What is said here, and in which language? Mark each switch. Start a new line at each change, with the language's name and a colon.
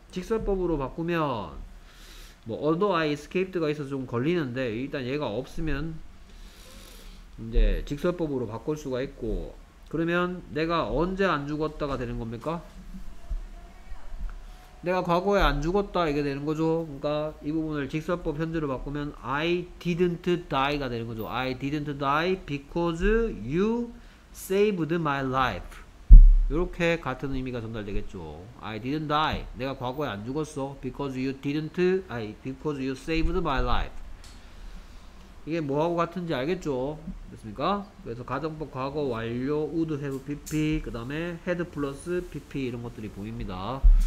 Korean: 직설법으로 바꾸면 뭐
English: although I escaped
Korean: 가 있어서 좀 걸리는데 일단 얘가 없으면 이제 직설법으로 바꿀 수가 있고 그러면 내가 언제 안 죽었다가 되는 겁니까? 내가 과거에 안 죽었다 이게 되는 거죠. 그러니까 이 부분을 직설법 현재로 바꾸면
English: I didn't die
Korean: 가 되는 거죠.
English: I didn't die because you saved my life.
Korean: 이렇게 같은 의미가 전달되겠죠.
English: I didn't die.
Korean: 내가 과거에 안 죽었어.
English: Because you didn't. I because you saved my life.
Korean: 이게 뭐하고 같은지 알겠죠? 됐습니까? 그래서 가정법 과거 완료 would have PP 그 다음에 had plus PP 이런 것들이 보입니다.